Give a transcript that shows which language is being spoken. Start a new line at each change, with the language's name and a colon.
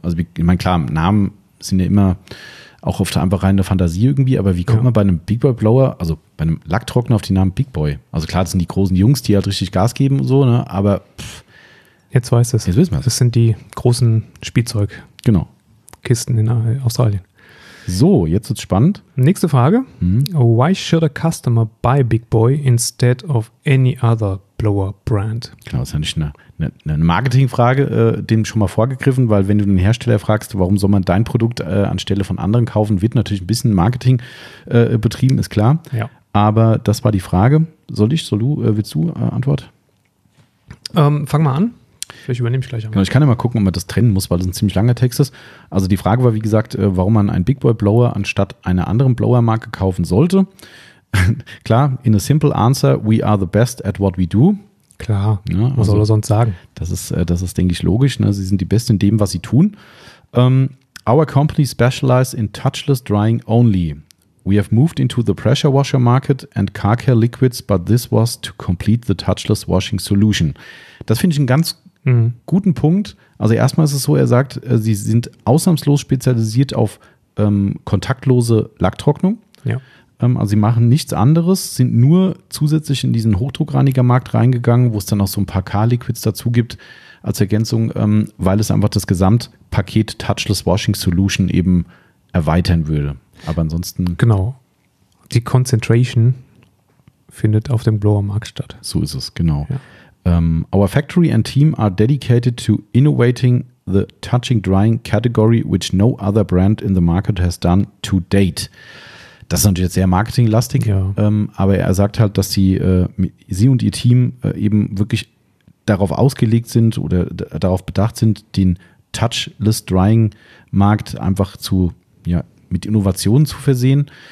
German: Also ich meine, klar, Namen sind ja immer auch oft einfach reine Fantasie irgendwie, aber wie kommt man bei einem Big Boy Blower, also bei einem Lacktrockner auf den Namen Big Boy? Also klar, das sind die großen Jungs, die halt richtig Gas geben und so, ne? Aber jetzt weiß es. Jetzt wissen wir es. Das sind die großen Spielzeug Kisten in Australien. So, jetzt wird's spannend. Nächste Frage.
English: Why should a customer buy Big Boy instead of any other Blower Brand?
German: Genau, das ist ja nicht eine Marketingfrage, dem schon mal vorgegriffen, weil wenn du den Hersteller fragst, warum soll man dein Produkt anstelle von anderen kaufen, wird natürlich ein bisschen Marketing betrieben, ist klar. Ja. Aber das war die Frage. Willst du Antwort? Fang mal an. Vielleicht übernehme ich gleich einmal. Genau, ich kann ja mal gucken, ob man das trennen muss, weil das ein ziemlich langer Text ist. Also die Frage war, wie gesagt, warum man einen Big Boy Blower anstatt einer anderen Blower-Marke kaufen sollte.
English: Klar, in a simple answer, we are the best at what we do.
German: Klar, ja, also, was soll er sonst sagen? Das ist, denke ich, logisch. Ne? Sie sind die Besten in dem, was sie tun.
English: Our company specializes in touchless drying only. We have moved into the pressure washer market and car care liquids, but this was to complete the touchless washing solution.
German: Das finde ich einen ganz guten Punkt. Also erstmal ist es so, er sagt, sie sind ausnahmslos spezialisiert auf kontaktlose Lacktrocknung. Ja. Also sie machen nichts anderes, sind nur zusätzlich in diesen Hochdruckreinigermarkt reingegangen, wo es dann auch so ein paar K-Liquids dazu gibt als Ergänzung, weil es einfach das Gesamtpaket Touchless Washing Solution eben erweitern würde. Aber ansonsten... Genau. Die Concentration findet auf dem Blower-Markt statt. So ist es, genau. Ja.
English: Our factory and team are dedicated to innovating the touching drying category, which no other brand in the market has done to date.
German: Das ist natürlich jetzt sehr marketinglastig, aber er sagt halt, dass sie und ihr Team eben wirklich darauf ausgelegt sind oder darauf bedacht sind, den Touchless Drying Markt einfach zu mit Innovationen zu versehen.